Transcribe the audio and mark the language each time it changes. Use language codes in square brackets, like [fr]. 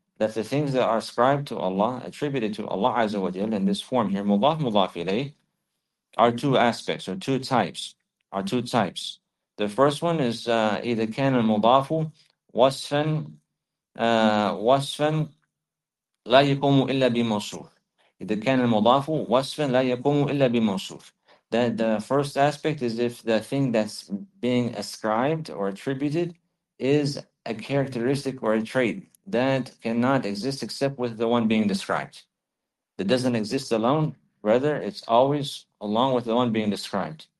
[en] That the things that are ascribed to Allah, attributed to Allah azza wa jalla in this form here, mudaf mudaf ilayh, are two aspects or two types. Are two types. The first one is either [ar] kan al-mudafu wasfan wasfan. لا يقوم إلا بموصوف. إذا كان المضاف وصفا لا يقوم إلا بموصوف. [en] Then the first aspect is if the thing that's being ascribed or attributed is a characteristic or a trait that cannot exist except with the one being described. That doesn't exist alone, rather it's always along with the one being described.